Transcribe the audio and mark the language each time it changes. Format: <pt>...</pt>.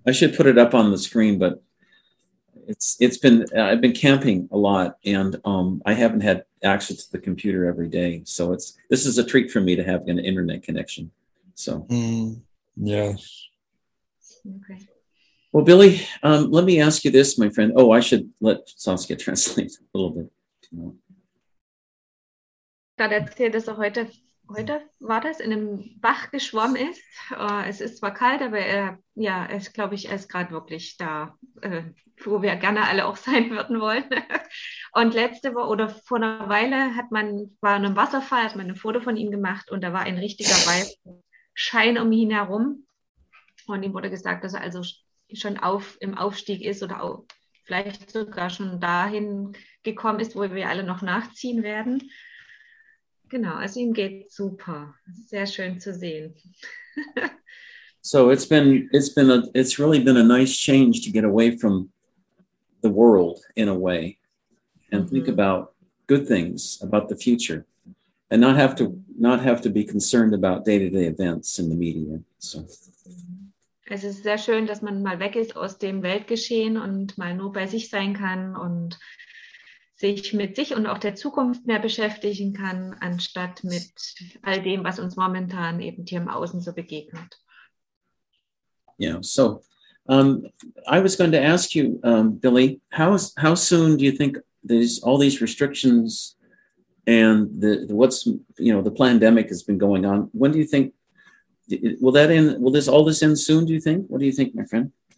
<en>I should put it up on the screen, but I've been camping a lot, and I haven't had access to the computer every day. So this is a treat for me to have an internet connection. So Yes. Okay. Well, Billy, let me ask you this, my friend. Oh, I should let Saskia translate a little bit.</en> <de>Er erzählt, dass er heute war das, in einem Bach geschwommen ist. Es ist zwar kalt, aber er ist gerade wirklich da, wo wir gerne alle auch sein würden wollen. Und letzte Woche oder vor einer Weile war in einem Wasserfall, hat man ein Foto von ihm gemacht, und da war ein richtiger Weißschein um ihn herum. Und ihm wurde gesagt, dass er also schon im Aufstieg ist oder auch vielleicht sogar schon dahin gekommen ist, wo wir alle noch nachziehen werden. Genau, also ihm geht super. Sehr schön zu sehen.</de> <en>So it's really been a nice change to get away from the world in a way and think about good things, about the future, and not have to be concerned about day-to-day events in the media. So</en> <de>es ist sehr schön, dass man mal weg ist aus dem Weltgeschehen und mal nur bei sich sein kann und sich mit sich und auch der Zukunft mehr beschäftigen kann, anstatt mit all dem, was uns momentan eben hier im Außen so begegnet.</de> <en>Yeah, so I was going to ask you, Billy, how soon do you think all these restrictions and the pandemic has been going on, when do you think, will this all end soon, do you think? What do you think, my friend?</en>